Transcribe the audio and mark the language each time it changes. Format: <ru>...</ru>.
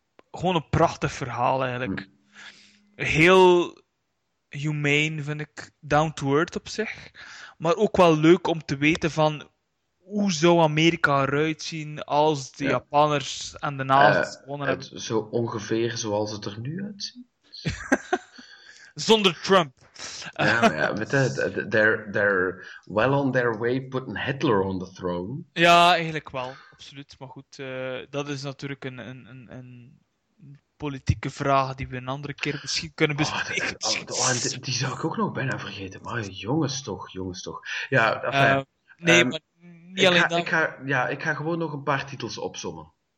<nl>Gewoon een prachtig verhaal eigenlijk. Heel humane vind ik. Down to earth op zich. Maar ook wel leuk om te weten van hoe zou Amerika eruit zien als de Japanners en de nazi's gewonnen hebben. Zo ongeveer zoals het er nu uitziet. Zonder Trump. Ja, maar</nl> <en>they're well on their way putting Hitler on the throne.</en> <nl>Ja, eigenlijk wel, absoluut. Maar goed, dat is natuurlijk een politieke vraag die we een andere keer misschien kunnen bespreken. Die zou ik ook nog bijna vergeten. Maar jongens toch. Ja, ik ga gewoon nog een paar titels opsommen.</nl>